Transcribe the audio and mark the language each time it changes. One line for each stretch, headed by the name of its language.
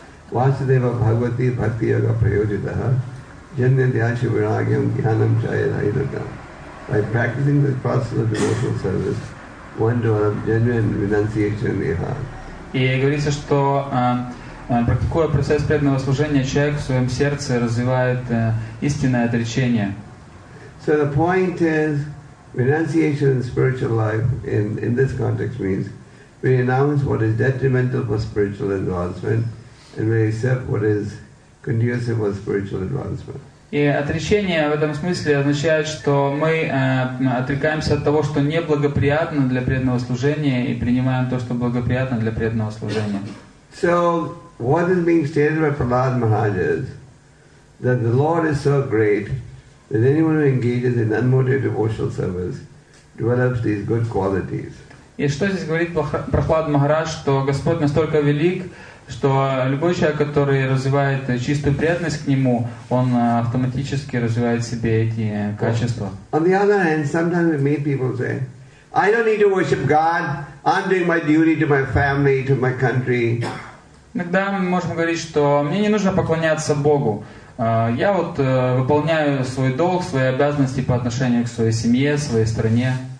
Sanskrit: Vasudeva Bhagavati Bhakti Yoga Prayojitaha Janya Dhyashi Viragyam Jnanam Chaya Dhyanakam.
English: By practicing this process of devotional service, one develops genuine renunciation iha.
Russian: И говорится, что практикуя процесс преданного служения, человек в своем сердце развивает истинное отречение.
English: So the point is, renunciation in spiritual life in this context means we renounce what is detrimental for spiritual advancement and we accept what is conducive for spiritual advancement.
Russian: И отречение в этом смысле означает, что мы отрекаемся от того, что неблагоприятно для преданного служения, и принимаем то, что благоприятно для преданного служения.
English: So what is being stated by Prahlad Maharaj is that the Lord is so great that anyone who engages in unmotivated devotional service develops these good qualities.
Russian: И что здесь говорит Прохлад Махарадж, что Господь настолько велик, что любой человек, который развивает чистую преданность к Нему, он автоматически развивает в себе эти качества.
English: On the other hand, sometimes we meet people say, I don't need to worship God, I'm doing my duty to my family, to my country.
Russian: Иногда мы можем говорить, что мне не нужно поклоняться Богу. Я вот выполняю свой долг, свои обязанности по отношению к своей семье, своей стране.